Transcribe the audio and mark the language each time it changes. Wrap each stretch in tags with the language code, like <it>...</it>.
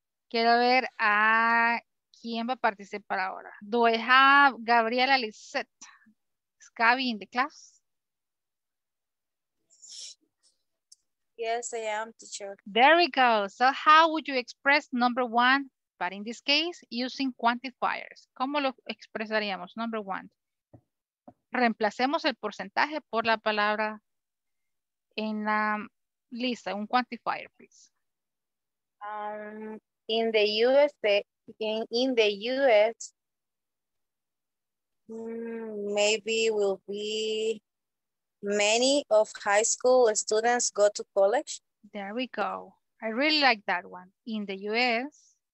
<es>Quiero ver a quién va a participar ahora.</es> <en>Do I have Gabriela Lisette? Is Gabby in the class? Yes, I am, teacher. There we go. So how would you express number one, but in this case, using quantifiers?</en> <es>¿Cómo lo expresaríamos,</es> <en>number one?</en> <es>Reemplacemos el porcentaje por la palabra en la lista, un quantifier, please.</es> <en>In the US, in the US, maybe will be many of high school students go to college. There we go. I really like that one. In the US.</en>